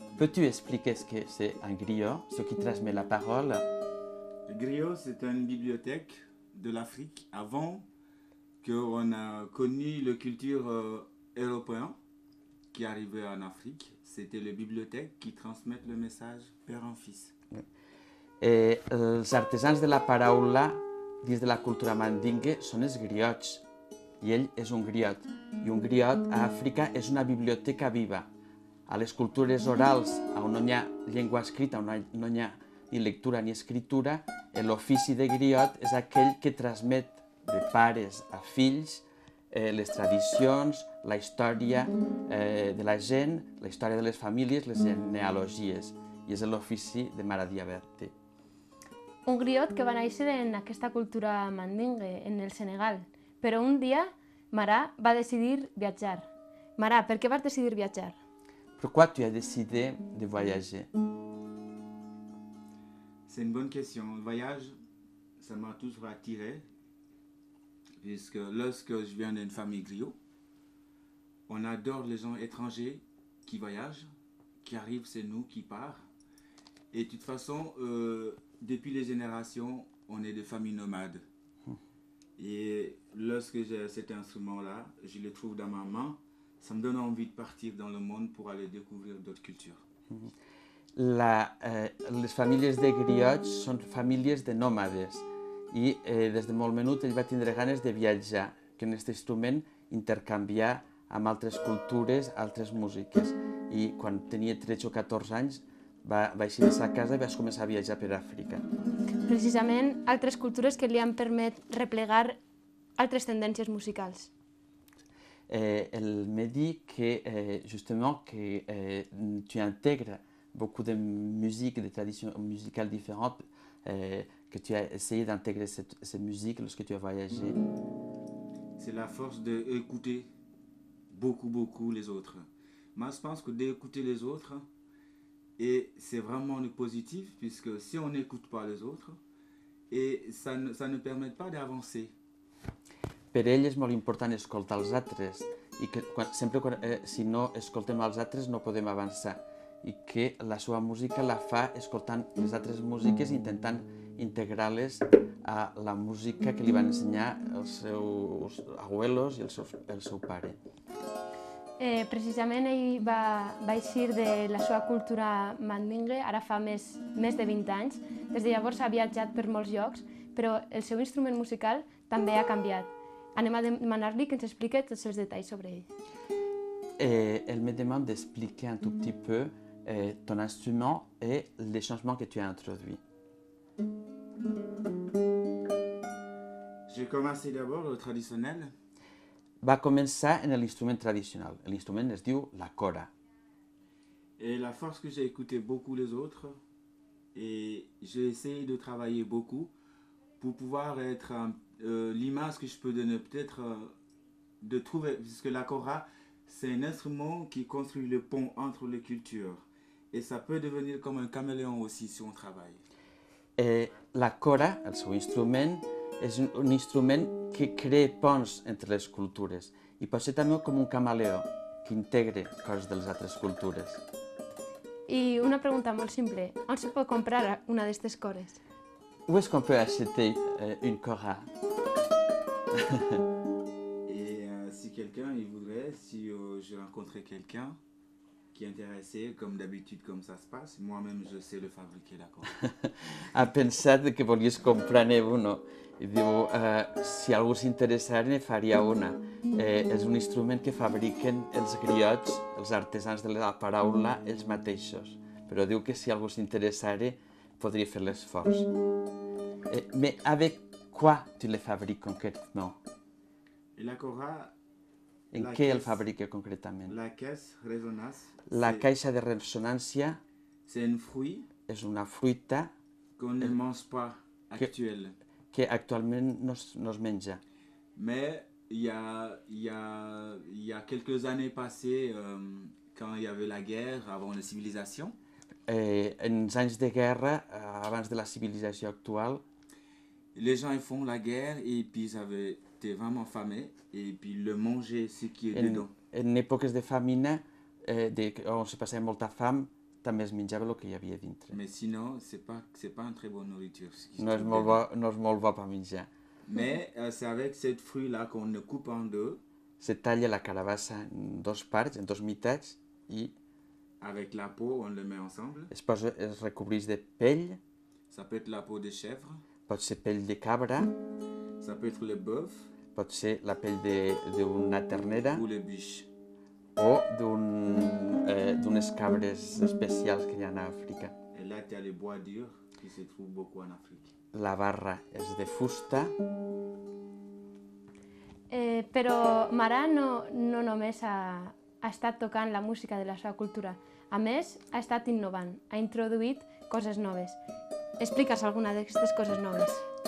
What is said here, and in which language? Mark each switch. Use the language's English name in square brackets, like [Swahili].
[French] Peux-tu expliquer ce que c'est un griot, ce qui transmet la parole? Le griot, c'est une bibliothèque de l'Afrique avant qu'on a connu la culture européenne qui arrivait en Afrique. C'était les bibliothèques qui transmettent le message père en fils. [Catalan] Els artesans de la paraula dins de la cultura mandingue són els griots. I ell és un griot. I un griot a Àfrica és una biblioteca viva. A les cultures orals, on no hi ha llengua escrita, on no hi ha ni lectura ni escritura, l'ofici de griot és aquell que transmet de pares a fills les tradicions, la història de la gent, la història de les famílies, les genealogies. I és l'ofici de Mara Diabate. Un griot que va néixer en aquesta cultura mandingue, en el Senegal. Però un dia, Mara va decidir viatjar. Mara, per què vas decidir viatjar? [French] Pourquoi tu as décidé de voyager? C'est une bonne question. Le voyage, ça m'a toujours attiré. Puisque lorsque je viens d'une famille griot, on adore les gens étrangers qui voyagent, qui arrivent, c'est nous qui partent. Et de toute façon, depuis les générations, on est de famille nomade. Et lorsque j'ai cet instrument-là, je le trouve dans ma main, ça me donne envie de partir dans le monde pour aller découvrir d'autres cultures. Les familles de griots sont familles de nomades. [Catalan] I des de molt menut ell va tindre ganes de viatjar, que en aquest instrument intercanviar amb altres cultures, altres músiques. I quan tenia 13 o 14 anys va eixir de sa casa i va començar a viatjar per Àfrica. Precisament altres cultures que li han permès replegar altres tendències musicals. El m'he dit que justament que [French] tu integres beaucoup de musique, de tradition musicale différente, que tu as essayé d'intégrer cette musique lorsque tu as voyagé. C'est la force d'écouter beaucoup, beaucoup les autres. Moi, je pense que d'écouter les autres, et c'est vraiment le positif, puisque si on n'écoute pas les autres, et ça ne permet pas d'avancer. [Catalan] Per ell és molt important escoltar els altres, i que si no escoltem els altres no podem avançar, i que la seva música la fa escoltant les altres músiques, intentant integrar-les a la música que li van ensenyar els seus abuelos i el seu pare. Precisament ell va eixir de la seva cultura mandingue, ara fa més de 20 anys. Des de llavors ha viatjat per molts llocs, però el seu instrument musical també ha canviat. Anem a demanar-li que ens expliqui tots els detalls sobre ell. Ell me demana [French] d'expliquer un tout petit peu ton instrument et les changements que tu as introduits. J'ai commencé d'abord le traditionnel. Va commencer en l'instrument traditionnel. L'instrument se dit la cora. Et la force que j'ai écouté beaucoup les autres, et j'ai essayé de travailler beaucoup pour pouvoir être l'image que je peux donner, peut-être de trouver, puisque la cora, C'est un instrument qui construit le pont entre les cultures et ça peut devenir comme un caméléon aussi si on travaille. [Catalan] Et la cora, el seu instrument, és un instrument que crea ponts entre les cultures i pot ser també com un camaleó que integra coses de les altres cultures. I una pregunta molt simple, on se pot comprar una d'aquestes cores? [French] Où est-ce qu'on peut acheter une cora? Et si quelqu'un il voudrait, si je rencontrais quelqu'un qui est intéressé, comme d'habitude, comme ça se passe, moi-même je sais le fabriquer, d'accord? [Catalan] A pensat que volies comprar-ne uno. I diu, si algú s'interessar, ne faria una. És un instrument que fabriquen els griots, els artesans de la paraula, ells mateixos. Però diu que si algú s'interessar, podria fer l'esforç. [French] Mais avec quoi tu le fabriques concrètement? Et la cora, [Catalan] en la què el [French] fabrique concrètement? La caisse résonance. [Catalan] La caixa de ressonància. [French] C'est un fruit. [Catalan] És una fruita. [French] Qu'on ne mange pas actuel. [Catalan] Que actualment no es menja. [French] Mais il y a quelques années passées, quand il y avait la guerre avant la civilisation. [Catalan] En els anys de guerra, abans de la civilització actual, [French] les gens font la guerre et puis avaient été vraiment famés et puis le manger ce qui est dedans. [Catalan] En èpoques de famine, on se passait molta fam, també es menjava el que hi havia dintre. [French] Mais sinon, c'est pas un très bon nourriture. [Catalan] No és molt bo per menjar. [French] Mais c'est avec cette fruit là qu'on le coupe en deux. [Catalan] Se talla la carabassa en dos parts, en dos meitats i [French] avec la peau, on le met ensemble. [Catalan] Es recobreix de pell. [French] Ça peut être la peau de chèvre. [Catalan] Pot ser pell de cabra. [French] Ça peut être le bœuf. [Catalan] Pot ser la pell d'una ternera. [French] Ou le biche. [Catalan] O d'unes cabres especials que hi ha a Àfrica. [French] Et là, t'as le bois dur, qui se trouve beaucoup en Afrique. [Catalan] La barra és de fusta. Però Mara no només ha estat tocant la música de la seva cultura. A més, ha estat innovant, ha introduït coses noves. Expliques alguna d'aquestes coses noves.